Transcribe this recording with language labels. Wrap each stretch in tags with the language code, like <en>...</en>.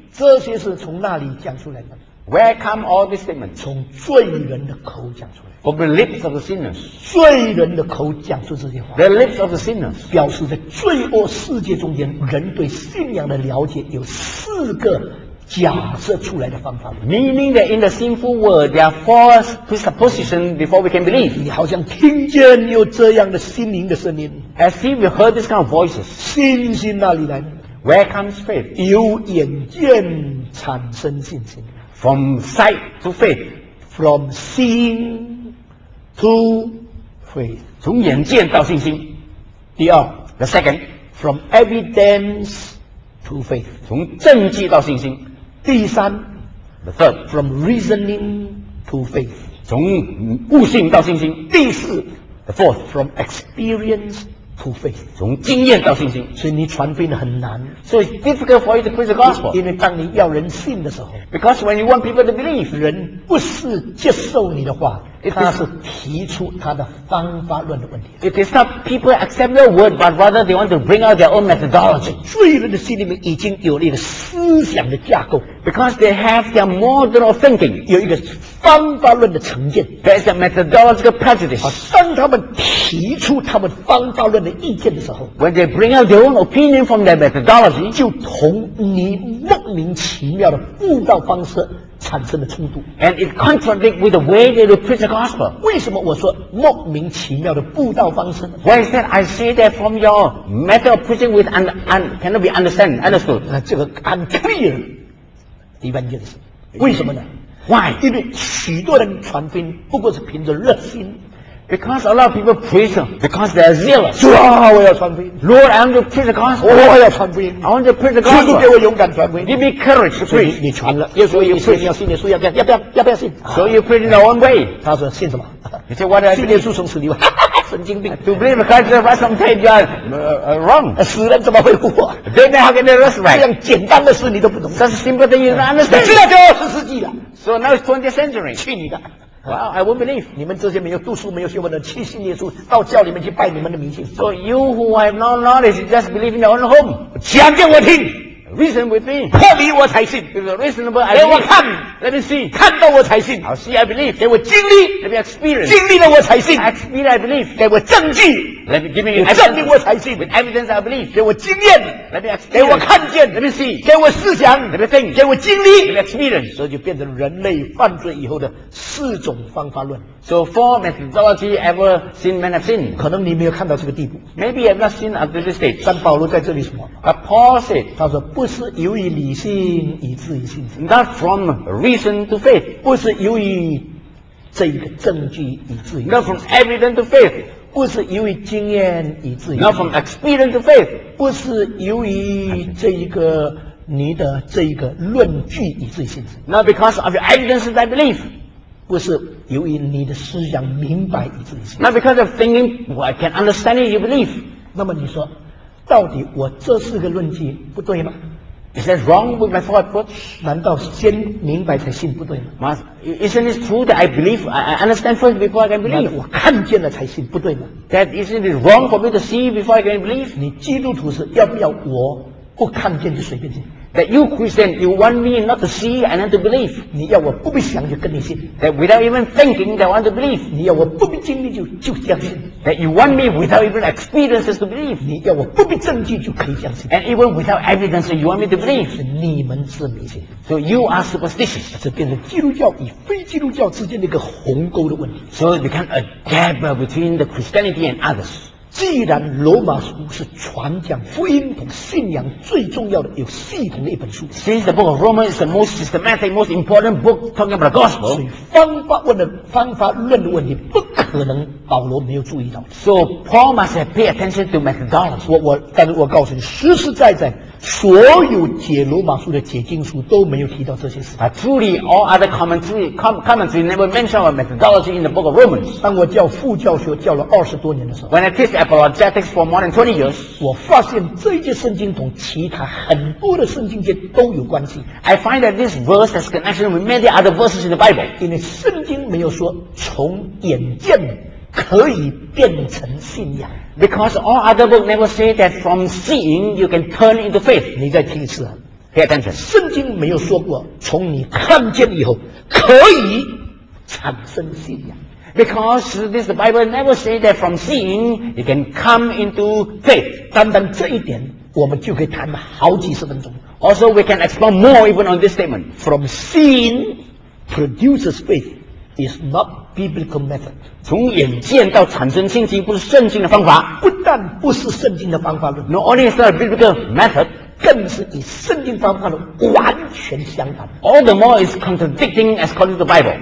<zh>这些是从那里讲出来的。</zh> <en>Where come all these statements?</en> <zh>从罪人的口讲出来。</zh> <en>From the lips of the sinners.</en> <zh>罪人的口讲出这些话。</zh> <en>The lips of the sinners.</en> <zh>表示在罪恶世界中间，人对信仰的了解有四个假设出来的方法。</zh> <en>Meaning that in the sinful world, there are four presuppositions before we can believe.</en> <zh>你好像听见有这样的心灵的声音。</zh> <en>As if you heard this kind of voices.</en> <zh>信心哪里来的？</zh> <en>Where comes faith?</en> <zh>由眼见产生信心。</zh> <en>From sight to faith. From seeing to faith.</en> <zh>从眼见到信心。第二。</zh> <en>The second. From evidence to faith.</en> <zh>从证据到信心。第三。</zh> <en>The third. From reasoning to faith.</en> <zh>从悟性到信心。第四。</zh> <en>The fourth. From experience. To faith.</en> <zh>从经验到信心，所以你传福音很难。</zh> <en>So it's difficult for you to preach the gospel.</en> <zh>因为当你要人信的时候</zh> <en>，Because when you want people to believe,</en> <zh>人不是接受你的话，他是提出他的方法论的问题。</zh> <en>It is not people accept your word, but rather they want to bring out their own methodology.</en> <zh>罪人的心里面已经有了一个思想的架构</zh> <en>，Because they have their model of thinking.</en> <zh>有一个方法论的成见</zh> <en>，There's a methodological prejudice.</en> <zh>好，当他们提出他们方法论的意见的时候</zh> <en>，When they bring out their own opinion from their methodology,</en> <zh>就同你莫名其妙的悟道方式产生了冲突。</zh> <en>And it contradicts with the way they preach the gospel.</en> <zh>为什么我说莫名其妙的悟道方式</zh> <en>？Why is that? I say that from your method of preaching with cannot be understood.</en> <zh>这个</zh> <en>unclear evangelism.</en> <zh>为什么呢</zh> <en>？Why?</en> <zh>因为许多人传福音不过是凭着热心。</zh> <en>Because a lot of people preach them. Because they are zealous.</en> <zh>主啊，我要传福音。</zh> <en>Lord, I want to preach the gospel.</en> <zh>我要传福音。</zh> <en>I want to preach the gospel.</en> <zh>基督给我勇敢传福音。</zh> <en>Give me courage to preach.</en> <zh>你传了，耶稣有信，你要信耶稣，要不要信</zh> <en>？So you preach in your own way.</en> <zh>他说信什么</zh> <en>？He said, "What do I believe?"</en> <zh>信耶稣从死里来。神经病</zh> <en>！To believe Christ resurrected, you are wrong.</en> <zh>死人怎么会复活</zh> <en>？Then how can they resurrect?</en> <zh>这样简单的事你都不懂。</zh> <en>That's simple thing you don't understand.</en> <zh>现在就二十世纪了。</zh> <en>So now it's 20th century.</en> <zh>去你的！</zh> <en>Wow, I won't believe.</en> <zh>你们这些没有读书、没有学问的，去信耶稣，到教里面去拜你们的迷信。</zh> <en>So you who have no knowledge, just believe in your own home.</en> <zh>讲给我听</zh> <en>，reason with me.</en> <zh>破迷我才信。</zh> <en>If you're reasonable, I believe.</en> <zh>给我看</zh> <en>，let me see.</en> <zh>看到我才信。</zh> <en>I'll see, I believe.</en> <zh>给我经历</zh> <en>，let me experience.</en> <zh>经历了我才信。</zh> <en>Experience, I believe.</en> <zh>给我证据</zh> <en>，let me give me.</en> <zh>证明我才信。</zh> <en>With evidence, I believe.</en> <zh>给我经验</zh> <en>，let me experience.</en> <zh>给我看见</zh> <en>，let me see.</en> <zh>给我思想</zh> <en>，let me think.</en> <zh>给我经历</zh> <en>，let me experience.</en> <zh>所以就变成人类犯罪以后的。四种方法论</zh> <en>，so four methodology ever seen man have seen。</en> <zh>可能你没有看到这个地步</zh> <en>，maybe you have not seen until this stage。</en> <zh>但保罗在这里什么</zh> <en>？But Paul said，</en> <zh>他说不是由于理性以至于信心。</zh> <en>Not from reason to faith.</en> <zh>不是由于这一个证据以至于信心。</zh> <en>Not from evidence to faith.</en> <zh>不是由于经验以至于。</zh> <en>Not from experience to faith.</en> <zh>不是由于这一个你的这一个论据以至于信心。</zh> <en>Not because of your evidence that belief.</en> <zh>不是由于你的思想明白以至于信。</zh> <en>Not because of thinking, well, I can understand it, you believe.</en> <zh>那么你说，到底我这四个论据不对吗？</zh> <en>Is that wrong with my thought approach?</en> <zh>难道先明白才信不对吗？</zh> <en>Isn't it true that I believe, I understand first before I can believe?</en> <zh>我看见了才信不对吗？</zh> <en>That isn't it wrong for me to see before I can believe?</en> <zh>你基督徒是要不要我不看见就随便信？</zh> <en>That you Christian, you want me not to see and not to believe.</en> <zh>你要我不必想就跟你信。</zh> <en>That without even thinking, I want to believe.</en> <zh>你要我不必经历就相信。</zh> <en>That you want me without even experiences to believe.</en> <zh>你要我不必证据就可以相信。</zh> <en>And even without evidence, you want me to believe.</en> <zh>是你们是迷信。</zh> <en>So you are superstitious.</en> <zh>这变成基督教与非基督教之间的一个鸿沟的问题。</zh> <en>So it becomes a gap between the Christianity and others.</en> <zh>既然罗马书是传讲福音和信仰最重要的有系统的一本书</zh> <en>Since the book of Romans is the most systematic, most important book talking about the gospel</en> <zh>所以方法论的问题不可能保罗没有注意到</zh> <en>So Paul must have paid attention to methodology</en> <zh>但是我告诉你实实在在所有解罗马书的解经书都没有提到这些事</zh> <en>But truly all other commentary never mentioned methodology in the book of Romans</en> <zh>当我教副教学教了20多年的时候</zh> <en>When I teach apologetics for more than 20 years</en> <zh>我发现这一节圣经同其他很多的圣经节都有关系</zh> <en>I find that this verse has connection with many other verses in the Bible</en> <zh>因为圣经没有说从眼见可以变成信仰</zh> <en>Because all other books never say that from seeing you can turn into faith</en> <zh>你再听一次</zh> <en>Pay attention</en> <zh>圣经没有说过从你看见以后可以产生信仰</zh> <en>Because this Bible never say that from seeing you can come into faith</en> <zh>单单这一点我们就可以谈好几十分钟</zh> <en>Also we can explore more even on this statement From seeing produces faithis not biblical method</en> <zh>从眼见到产生信心不是圣经的方法不但不是圣经的方法论</zh> <en>not only is not a biblical method</en> <zh>更是与圣经方法论完全相反</zh> <en>all the more is contradicting as according to the Bible</en>